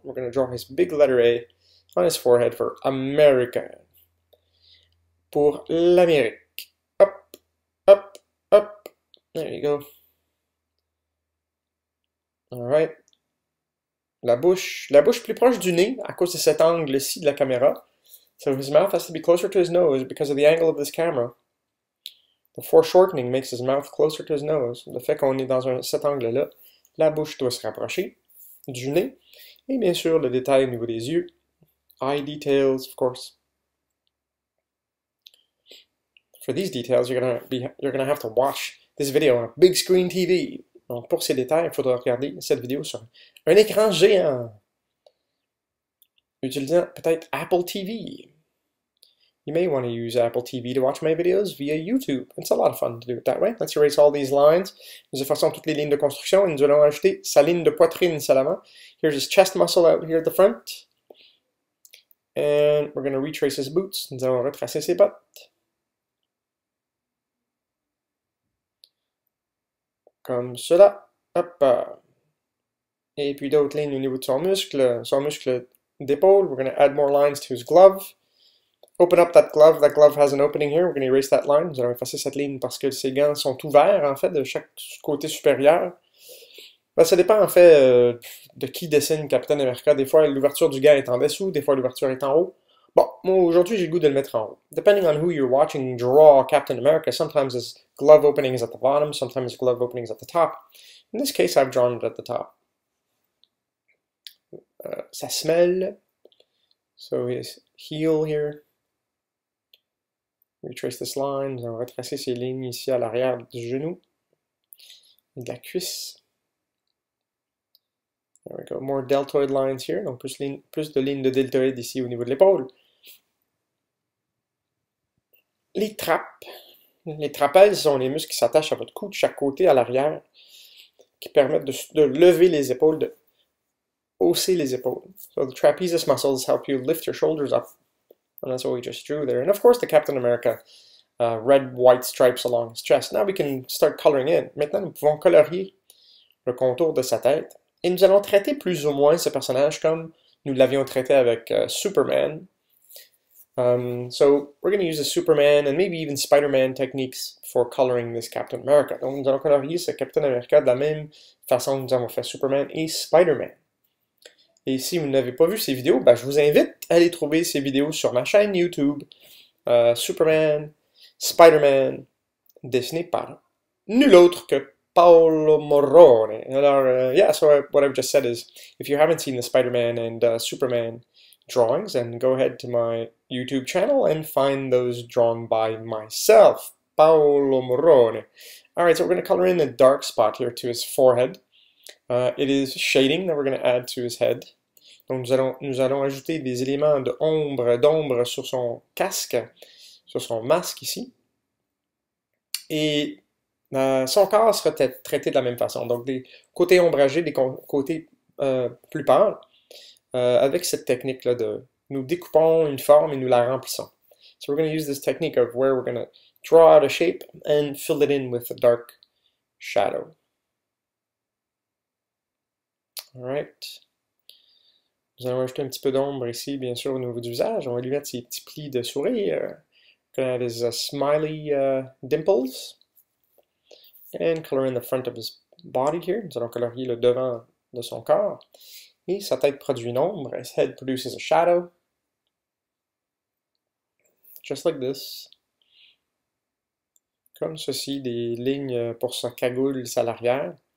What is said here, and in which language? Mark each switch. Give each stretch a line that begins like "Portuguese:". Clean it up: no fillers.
English: We're going to draw his big letter A on his forehead for America.
French: Pour l'Amérique. Hop.
English: There you go. All right.
French: La bouche plus proche du nez à cause de cet angle-ci de la caméra.
English: So his mouth has to be closer to his nose because of the angle of this camera. The foreshortening makes his mouth closer to his nose.
French: Le fait qu'on est dans cet angle-là, la bouche doit se rapprocher du nez. Et bien sûr, le détail au niveau des yeux.
English: Eye details, of course. For these details, you're gonna have to watch this video on a big screen TV.
French: Donc, pour ces détails, il faudra regarder cette vidéo sur un écran géant, utilisant peut-être Apple TV.
English: You may want to use Apple TV to watch my videos via YouTube. It's a lot of fun to do it that way. Let's erase all these lines.
French: Nous effaçons toutes les lignes de construction et nous allons ajouter sa ligne de poitrine seulement.
English: Here's his chest muscle out here at the front. And we're going to retrace his boots.
French: Nous allons retracer ses bottes. Comme cela. Hop. Et puis d'autres lignes au niveau de son muscle d'épaule. We're going to add more lines to his glove. Open up that glove. That glove has an opening here. We're going to erase that line. Nous allons effacer cette ligne parce que ses gants sont ouverts, en fait, de chaque côté supérieur. Ben, ça dépend, en fait, de qui dessine Captain America. Des fois, l'ouverture du gant est en dessous. Des fois, l'ouverture est en haut. Bon, moi, aujourd'hui, j'ai le goût de le mettre en haut.
English: Depending on who you're watching draw Captain America, sometimes his glove opening is at the bottom, sometimes his glove opening is at the top. In this case, I've drawn it at the top.
French: Ça semelle.
English: So his heel here. Retrace this line.
French: Nous allons retracer ces lignes ici à l'arrière du genou. Et de la cuisse.
English: There we go. More deltoid lines here.
French: Donc plus de lignes de deltoïdes ici au niveau de l'épaule. Les trapèzes. Les trapèzes sont les muscles qui s'attachent à votre cou de chaque côté à l'arrière, qui permettent de lever les épaules, de hausser les épaules.
English: So the trapezius muscles help you lift your shoulders up. And that's what we just drew there. And of course, the Captain America red white stripes along his chest. Now we can start coloring in.
French: Maintenant, nous pouvons colorier le contour de sa tête. Et nous allons traiter plus ou moins ce personnage comme nous l'avions traité avec Superman.
English: So we're going to use the Superman and maybe even Spider-Man techniques for coloring this Captain America.
French: Donc nous allons colorier ce Captain America de la même façon que nous avons fait Superman et Spider-Man. Et si vous n'avez pas vu ces vidéos, ben, je vous invite à aller trouver ces vidéos sur ma chaîne YouTube Superman, Spider-Man, dessiné par nul autre que Paolo Morrone.
English: Alors, yeah, so what I've just said is, if you haven't seen the Spider-Man and Superman drawings, then go ahead to my YouTube channel and find those drawn by myself, Paolo Morrone. All right, so we're going to color in a dark spot here to his forehead. It is shading that we're going to add to his head.
French: Donc nous allons ajouter des éléments d'ombre sur son casque, sur son masque ici. Et son corps sera traité de la même façon. Donc des côtés ombragés, des côtés plus pâles, avec cette technique-là de nous découpons une forme et nous la remplissons.
English: So we're going to use this technique of where we're going to draw out a shape and fill it in with a dark shadow. All right.
French: Nous allons ajouter un petit peu d'ombre ici, bien sûr, au niveau du visage. On va lui mettre ses petits plis de sourire.
English: That is a smiley dimples. And color in the front of his body here.
French: Nous allons colorier le devant de son corps. Et sa tête produit une ombre.
English: His head produces a shadow. Just like this.
French: Comme ceci, des lignes pour sa cagoule, sa larrière.